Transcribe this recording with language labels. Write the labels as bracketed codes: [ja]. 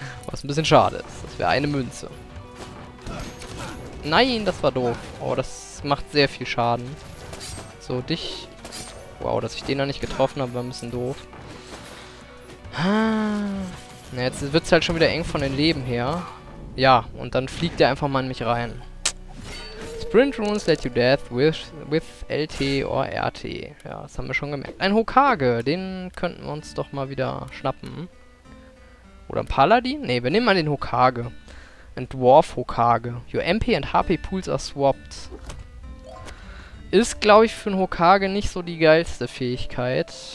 [de] Was ein bisschen schade ist. Das wäre eine Münze. Nein, das war doof. Oh, das macht sehr viel Schaden. So, dich. Wow, dass ich den da nicht getroffen habe, war ein bisschen doof. Na, jetzt wird es halt schon wieder eng von den Leben her. Ja, und dann fliegt er einfach mal in mich rein. [en] Sprint Runes let you death with LT or RT. [de] Ja, das haben wir schon gemerkt. Ein Hokage, den könnten wir uns doch mal wieder schnappen. Oder ein Paladin? Ne, wir nehmen mal den Hokage. Ein Dwarf Hokage. [en] Your MP and HP Pools are swapped. [de] Ist, glaube ich, für einen Hokage nicht so die geilste Fähigkeit.